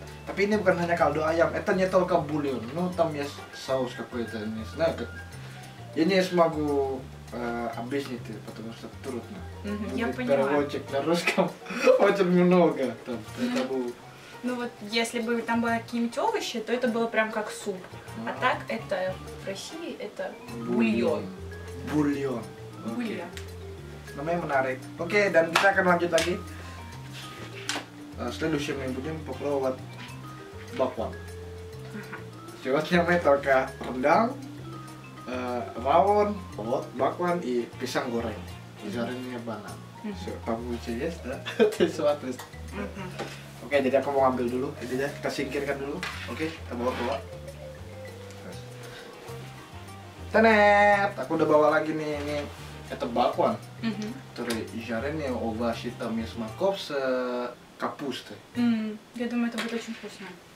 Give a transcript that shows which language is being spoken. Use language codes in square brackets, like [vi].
[id] Tapi ini bukan hanya kaldu ayam, [ru] это не только бульон. Ну там есть соус какой-то, не знаю как. Я не смогу объяснить, потому что трудно. Я понимаю. Переводчик на русском очень много там. Ну вот если бы там было какие-нибудь овощи, то это было прям как суп. А так это в России это бульон. Бульон. Бульон. [id] Namanya menarik. Oke, dan kita akan lanjut lagi. [ru] Следующим мы будем попробовать бакван. Сегодня мы только рендан, раун, вот, бакван и писан горен. Жареный банан. Помните, есть, да? Ты смотришь. [id] Окей, jadi aku mau ambil dulu. Jadi ya, kita singkirkan dulu. Окей, kita bawa-bawa. Tenet! Aku udah bawa lagi nih, ini. [ru] Это бакван. Который жареный, овощи там есть морковь с... капусты. Я думаю, это будет очень вкусно.